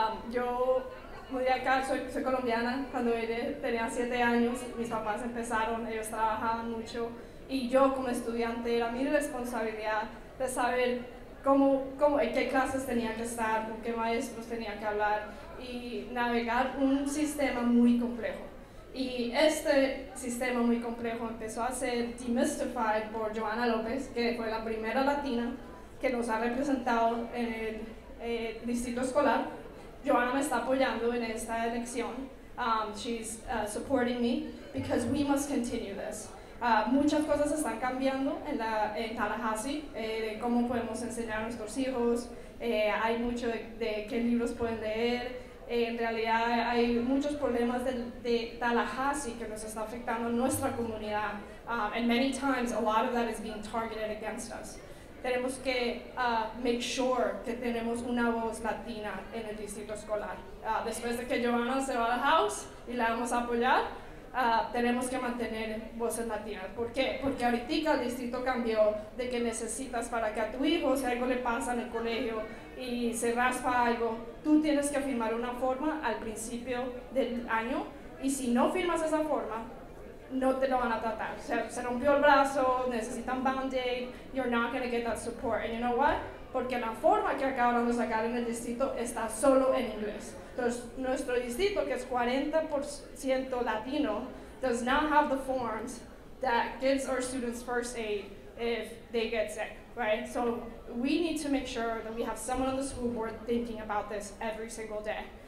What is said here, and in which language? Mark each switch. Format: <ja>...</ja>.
<es>Yo mudé acá, soy colombiana, cuando tenía 7 años, mis papás empezaron, ellos trabajaban mucho, y yo como estudiante era mi responsabilidad de saber cómo en qué clases tenía que estar, con qué maestros tenía que hablar, y navegar un sistema muy complejo. Y este sistema muy complejo empezó a ser demystified por Joanna López, que fue la primera latina que nos ha representado en el distrito escolar. Joanna me está apoyando en esta elección.</es> <en>She's supporting me because we must continue this.</en> <es>Muchas cosas están cambiando en Tallahassee, de cómo podemos enseñar a nuestros hijos. Hay mucho de qué libros pueden leer. En realidad hay muchos problemas de Tallahassee que nos está afectando en nuestra comunidad.</es> <en>And many times a lot of that is being targeted against us.</en> <es>Tenemos que</es> <en>make sure</en> <es>que tenemos una voz latina en el distrito escolar. Después de que Joanna se va al house y la vamos a apoyar, tenemos que mantener voces latinas. ¿Por qué? Porque ahorita el distrito cambió de que necesitas para que a tu hijo, si algo le pasa en el colegio y se raspa algo, tú tienes que firmar una forma al principio del año y si no firmas esa forma, no te lo van a tratar. O sea, se rompió el brazo, necesitan band-aid,</es> <en>you're not going to get that support. And you know what?</en> <es>Porque la forma que acabaron de sacar en el distrito está solo en inglés. Entonces, nuestro distrito, que es 40% latino,</es> <en>does not have the forms that gives our students first aid if they get sick, right? So we need to make sure that we have someone on the school board thinking about this every single day.</en>